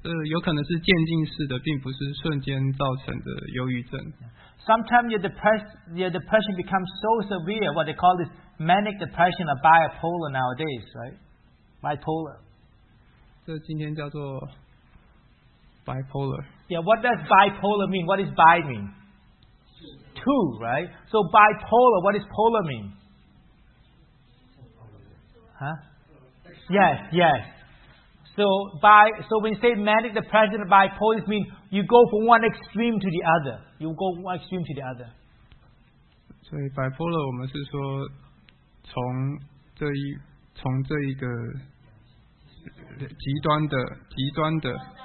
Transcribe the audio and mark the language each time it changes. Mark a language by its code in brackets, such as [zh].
[zh] 有可能是渐进式的，并不是瞬间造成的忧郁症。 [en] Sometimes your depression becomes so severe, what they call this manic depression or bipolar nowadays, right? Bipolar. [zh] 这今天叫做 bipolar. [en] Yeah, what does bipolar mean? What does bi mean? Two, right? So bipolar, what does polar mean? Huh? Yes, yes. So when you say manic depression or bipolar, it means you go from one extreme to the other. You go one extreme to the other. [zh] 所以 bipolar 我们是说从这一个极端的。